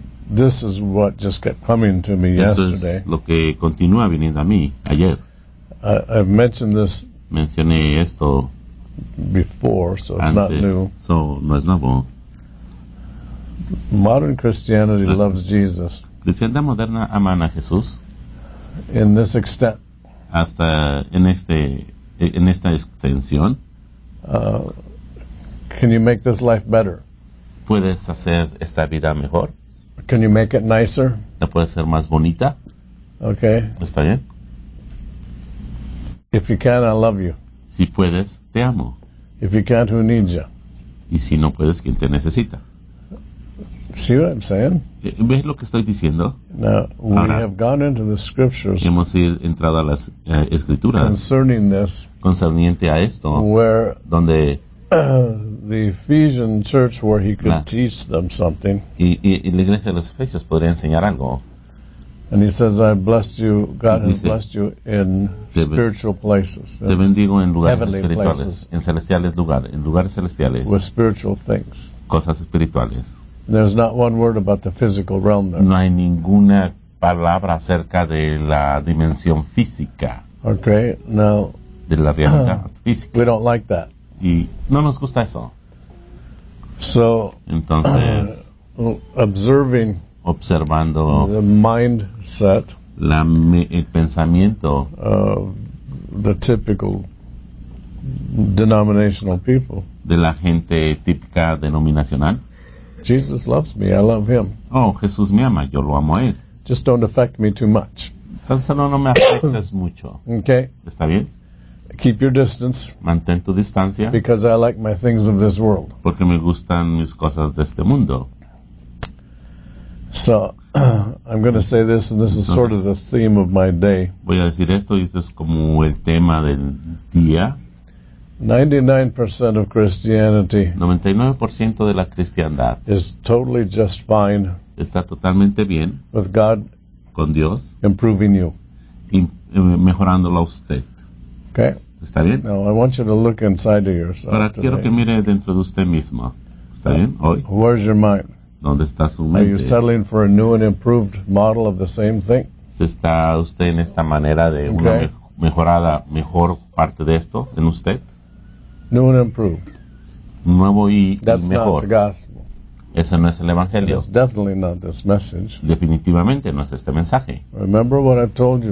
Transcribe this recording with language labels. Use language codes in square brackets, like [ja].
[en] This is what just kept coming to me [es] esto [en] yesterday. [es] Es lo que continúa viniendo a mí ayer. [en] I've mentioned this. [es] Mencioné esto [en] before, so it's not new. [es] So no es nuevo. [en] Modern Christianity loves Jesus. [es] Cristiandad moderna ama a Jesús. [en] In this extent. [es] Hasta en este en esta extensión. [en] Can you make this life better? [es] ¿Puedes hacer esta vida mejor? [en] Can you make it nicer? [es] ¿La puedes hacer más bonita? [en] Okay. [es] ¿Está bien? [en] If you can, I love you. [es] Si puedes, te amo. [en] If you can't, who needs you? [es] Y si no puedes, ¿quién te necesita? [en] See what I'm saying? [es] ¿Ves lo que estoy diciendo? [en] Now, we [es] ahora, [en] have gone into the scriptures. [es] Hemos entrado a las escrituras. [en] Concerning this. [es] Concerniente a esto. [en] Where. [es] Donde. [en] The Ephesian church where he could teach them something. [es] Y la iglesia de los Efesios podría enseñar algo. [en] And he says, I blessed you, God has blessed you in spiritual places. [es] Te bendigo en lugares espirituales, en celestiales lugares, en lugares celestiales. [en] With spiritual things. [es] Cosas espirituales. [en] There's not one word about the physical realm there. [es] No hay ninguna palabra acerca de la dimensión física. [en] Okay, now. [es] De la realidad física. [en] We don't like that. [es] Y no nos gusta eso. [en] So. [es] Entonces. [en] Observing. [es] Observando [en] the mindset, [es] el pensamiento [en] of the typical denominational people, [es] de la gente típica denominacional. [en] Jesus loves me, I love him. [es] Oh, Jesús me ama, yo lo amo a él. [en] Just don't affect me too much. [es] Solo no me afectes mucho. [en] Okay. [es] Está bien. [en] Keep your distance. [es] Mantén tu distancia. [en] Because I like my things of this world. [es] Porque me gustan mis cosas de este mundo. [en] So, I'm going to say this, and this is sort of the theme of my day. [es] Voy a decir esto, y esto es como el tema del día. [en] 99% of Christianity [es] 99% de la cristiandad [en] is totally just fine. [es] Está totalmente bien. [en] With God. [es] Con Dios. [en] Improving you. [es] Mejorándolo a usted. [en] Okay. [es] Está bien. [en] Now, I want you to look inside of yourself. [es] Ahora quiero [en] today. [es] Que mire dentro de usted mismo. Está bien, hoy. [en] Where's your mind? [es] ¿Dónde está su mente? [en] Are you settling for a new and improved model of the same thing? [es] ¿Está usted en esta manera de una mejorada, mejor parte de esto en usted? [en] New and improved. [es] Nuevo y [en] that's [es] mejor. [en] That's not the gospel. [es] Ese no es el evangelio. [en] It's definitely not this message. [es] Definitivamente no es este mensaje. [en] Remember what I told you.